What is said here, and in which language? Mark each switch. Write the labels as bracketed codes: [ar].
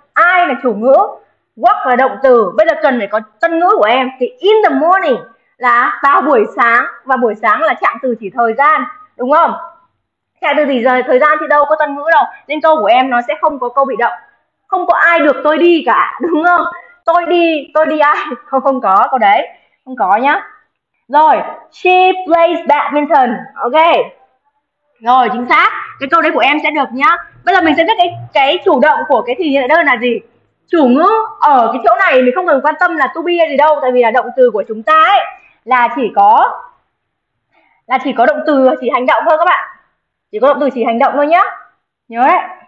[vi] I là chủ ngữ, walk là động từ. Bây giờ cần phải có tân ngữ của em thì [en] in the morning [vi] là vào buổi sáng và buổi sáng là trạng từ chỉ thời gian, đúng không? Trạng từ chỉ giờ thời gian thì đâu có tân ngữ đâu. Nên câu của em nó sẽ không có câu bị động. Không có ai được tôi đi cả, đúng không? Tôi đi ai? Không không có câu đấy, không có nhá. Rồi, [en] she plays badminton. [vi] Ok, rồi chính xác cái câu đấy của em sẽ được nhá. Bây giờ mình sẽ biết cái chủ động của cái thì hiện tại đơn là gì. Chủ ngữ ở cái chỗ này mình không cần quan tâm là to be hay gì đâu, tại vì là động từ của chúng ta ấy là chỉ có động từ chỉ hành động thôi các bạn, chỉ có động từ chỉ hành động thôi nhá, nhớ đấy.